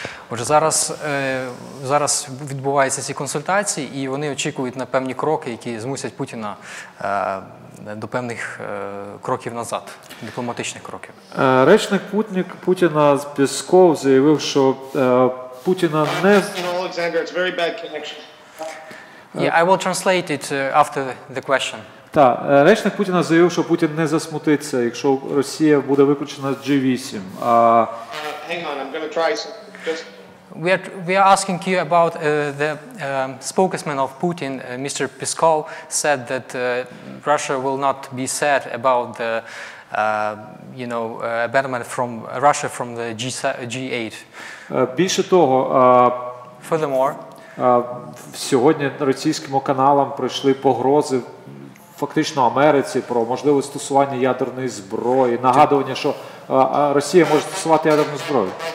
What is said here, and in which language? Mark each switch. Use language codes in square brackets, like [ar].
[uk] Отже, зараз відбуваються ці консультації, і вони очікують на певні кроки, які змусять Путіна до певних кроків назад, дипломатичних кроків. Речник Путіна з Пісков заявив, що Путіна не... Олександр, це дуже [en] bad connection. Yeah, I will translate it after the question. [uk] Так, речник Путіна заявив, що Путін не засмутиться, якщо Росія буде виключена з G8. [en] Hang on, I'm going to try some... We are asking you about spokesman of Putin, Mr. Peskov, said that Russia will not be sad about the abandonment from Russia from the G8. [uk] Більше того, [en] furthermore, [uk] сьогодні російським каналам прийшли погрози в фактично Америці, про можливе стосування ядерної зброї, нагадування, що Росія може стосувати ядерну зброю.